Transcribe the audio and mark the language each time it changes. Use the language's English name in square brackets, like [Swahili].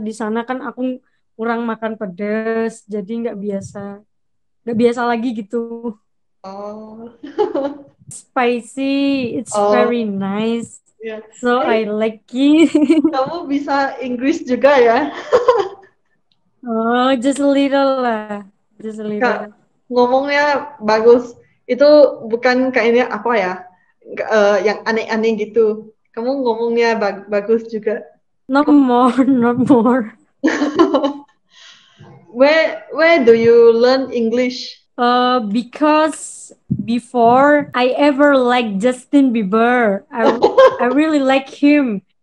[Indonesian] Di sana kan aku kurang makan pedas, jadi nggak biasa lagi gitu. [English] Spicy, it's very nice. Yeah. So I like it. [Indonesian] Kamu bisa Inggris juga ya? [English] Oh, just a little lah, just a little. [Indonesian] Kak, ngomongnya bagus. Itu bukan kayaknya apa ya? Yang aneh-aneh gitu. Kamu ngomongnya bagus juga. [English] No more, no more. Where do you learn English? Because before I ever like Justin Bieber, I really like him.